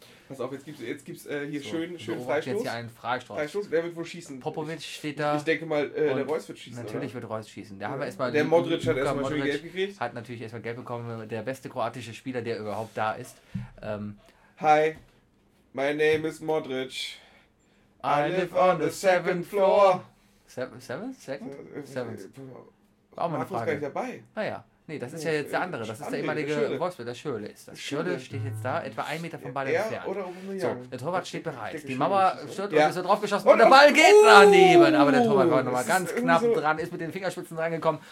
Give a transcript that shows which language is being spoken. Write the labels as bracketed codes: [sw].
[de] Pass auf, jetzt gibt's hier schön Freistoß. Jetzt hier einen Freistoß. Freistoß, wer wird wohl schießen? Popovic steht da. Ich denke mal, der Reus wird schießen. Natürlich oder? Wird Reus schießen. Da haben wir erstmal der Modric hat erstmal schön gelb gekriegt. Hat natürlich erstmal gelb bekommen. Der beste kroatische Spieler, der überhaupt da ist. [en] Hi, my name is Modric. I live on the seventh floor. Seventh? [de] Auch mal eine Frage. Gar nicht dabei. Naja, nee, das ist ja jetzt der andere. Das ist der ehemalige Wolfsburg, der Schürrle ist. Das Schürrle steht jetzt da, etwa einen Meter vom Ball entfernt. Oder so, der Torwart steht bereit. Die Mama stört und ist da draufgeschossen. Und der Ball geht daneben. Aber der Torwart war nochmal ganz knapp dran, ist mit den Fingerspitzen reingekommen.